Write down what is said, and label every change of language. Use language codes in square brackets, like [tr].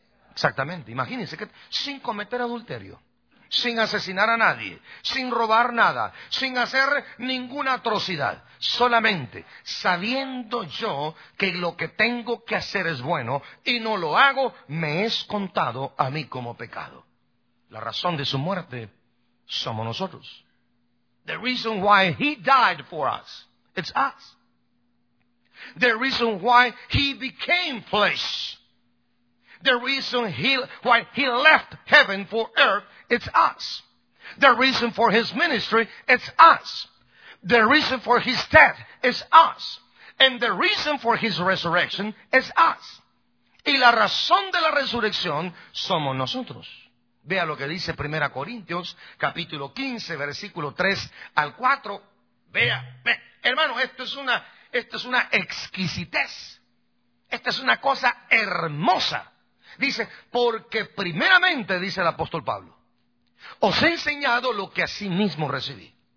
[es] Exactamente, imagínense que sin cometer adulterio, sin asesinar a nadie, sin robar nada, sin hacer ninguna atrocidad, solamente sabiendo yo que lo que tengo que hacer es bueno y no lo hago, me es contado a mí como pecado. La razón de su muerte somos nosotros. [en] The reason why he died for us, it's us. The reason why he became flesh. The reason why he left heaven for earth, it's us. The reason for his ministry, it's us. The reason for his death, it's us. And the reason for his resurrection, it's us. [es] Y la razón de la resurrección somos nosotros. Vea lo que dice 1 Corintios, capítulo 15, versículo 3 al 4. Vea, hermano, esto es una exquisitez. Esta es una cosa hermosa. Dice, porque primeramente, dice el apóstol Pablo, os he enseñado lo que a sí mismo recibí.